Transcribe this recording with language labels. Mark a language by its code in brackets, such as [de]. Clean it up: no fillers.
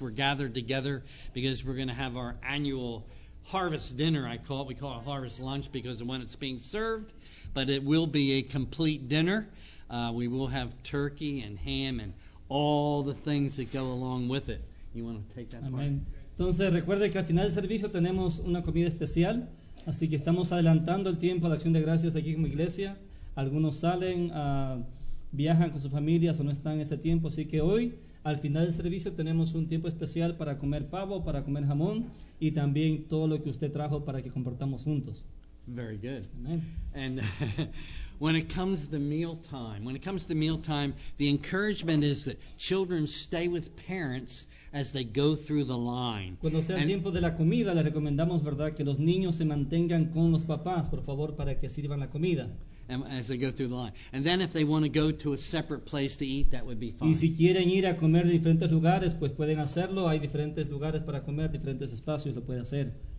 [en] We're gathered together because we're going to have our annual harvest dinner, I call it. We call it harvest lunch because of when it's being served, but it will be a complete dinner. We will have turkey and ham and all the things that go along with it. You want to take that Amen. Part? [es] Entonces recuerde que al final del servicio tenemos una comida especial, así que estamos adelantando el tiempo de Acción de Gracias aquí como iglesia. Algunos salen, viajan con sus familias o no están en ese tiempo, así que hoy al final del servicio tenemos un tiempo especial para comer pavo, para comer jamón y también todo lo que usted trajo para que compartamos juntos. [en] Very good. Amen. And When it comes to meal time, the encouragement is that children stay with parents as they go through the line. [es] Cuando sea el tiempo de la comida, le recomendamos, ¿verdad?, que los niños se mantengan con los papás, por favor, para que sirvan la comida. [en] And as they go through the line. And then if they want to go to a separate place to eat, that would be fine. [es] Y si quieren ir a comer de diferentes lugares, pues pueden hacerlo. Hay diferentes lugares para comer, diferentes espacios, lo puede hacer.